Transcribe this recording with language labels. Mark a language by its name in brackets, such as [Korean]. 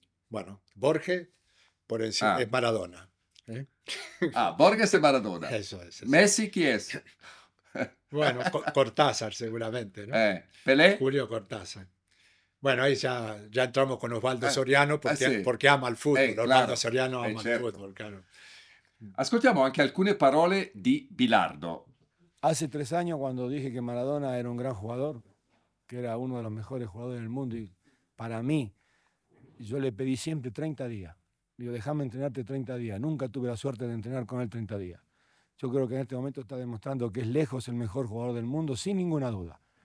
[Spanish] Bueno, Borges por encima es Maradona. ¿Eh? Ah, Borges es Maradona. Eso es. ¿Messi quién es? Bueno, Cortázar seguramente, ¿no? ¿Pelé? Julio Cortázar. Bueno, ahí ya entramos con Osvaldo Soriano porque ama el fútbol. Osvaldo Soriano ama el fútbol, claro. [Italian] Ascoltiamo anche alcune parole di Bilardo. [Spanish] Hace 3 años cuando dije que Maradona era un gran jugador, que era uno de los mejores jugadores del mundo y para mí, yo le pedí siempre 30 días. Digo, déjame entrenarte 30 días. Nunca tuve la suerte de entrenar con él 30 días. Yo creo que en este momento está demostrando que es lejos el mejor jugador del mundo, sin ninguna duda.